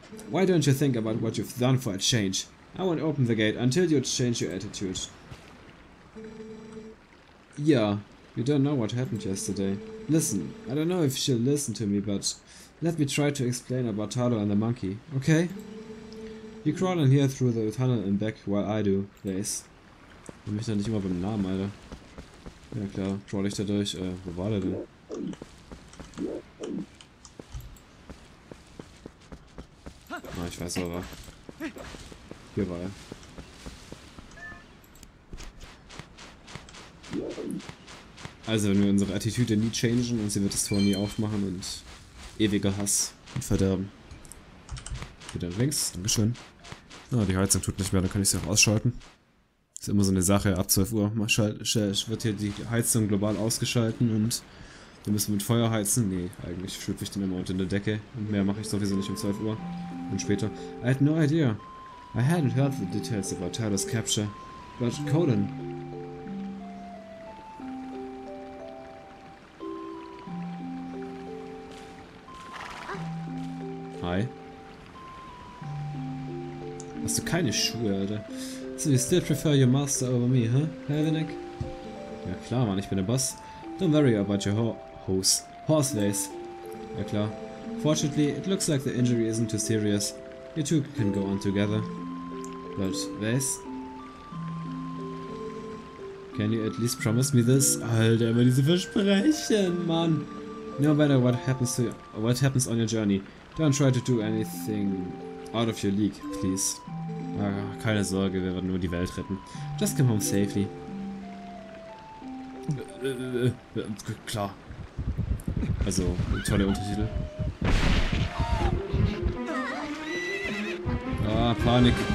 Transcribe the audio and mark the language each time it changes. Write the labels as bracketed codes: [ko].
[en] Why don't you think about what you've done for a change? I won't open the gate until you change your attitude. Yeah, you don't know what happened yesterday. Listen, I don't know if she'll listen to me, but let me try to explain about Talo and the monkey, okay? You crawl in here through the tunnel and back while I do, Base. [de] Ich mich da nicht immer beim Namen, Alter. Ja klar, troll ich da durch. Wo war der denn? Ah, ich weiß aber. Hier war er. Also, wenn wir unsere Attitüde nie changen und sie wird das Tor nie aufmachen und ewiger Hass und Verderben. Hier dann links, dankeschön. Ah, die Heizung tut nicht mehr, dann kann ich sie auch ausschalten. Ist immer so eine Sache, ab 12 Uhr wird hier die Heizung global ausgeschalten und wir müssen mit Feuer heizen. Nee, eigentlich schlüpfe ich den immer unter der Decke und mehr mache ich sowieso nicht um 12 Uhr und später. [en] I had no idea. I hadn't heard the details about Tyler's capture. But Coden. Hi. [de] Hast du keine Schuhe, Alter? [en] So, you still prefer your master over me, huh, Helvenek? [de] Ja klar, Mann, ich bin der Boss. [en] Don't worry about your horse race. [de] Ja klar. [en] Fortunately, it looks like the injury isn't too serious. You two can go on together. But, Vase? Can you at least promise me this? [de] Alter, immer diese Versprechen, Mann! [en] No matter what happens on your journey, don't try to do anything out of your league, please. [de] Keine Sorge, wir werden nur die Welt retten. [en] Just come home safely. [de] Klar. Also, tolle Untertitel. Ah, Panik.